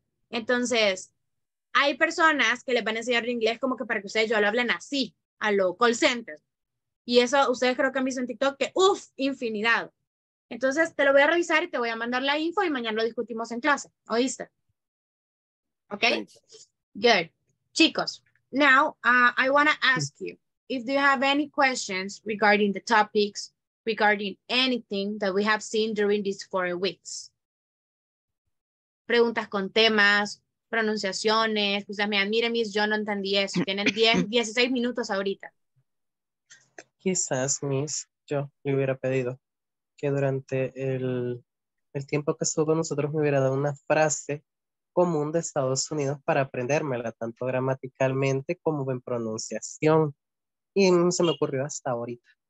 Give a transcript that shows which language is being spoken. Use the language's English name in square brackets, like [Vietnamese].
[Spanish] Entonces, hay personas que les van a enseñar inglés como que para que ustedes ya lo hablen así, a lo call center. Y eso ustedes creo que han visto en TikTok que, uff, infinidad. Entonces, te lo voy a revisar y te voy a mandar la info y mañana lo discutimos en clase, ¿oíste? [English] Ok, good. Chicos, now I want to ask you if you have any questions regarding the topics, regarding anything that we have seen during these 4 weeks. [Spanish] Preguntas con temas, pronunciaciones, pues me admire, Miss, yo no entendí eso. Tienen 10, 16 minutos ahorita. Quizás, Miss, yo le hubiera pedido que durante el tiempo que estuvo con nosotros me hubiera dado una frase común de Estados Unidos para aprendérmela tanto gramaticalmente como en pronunciación, y se me ocurrió hasta ahorita.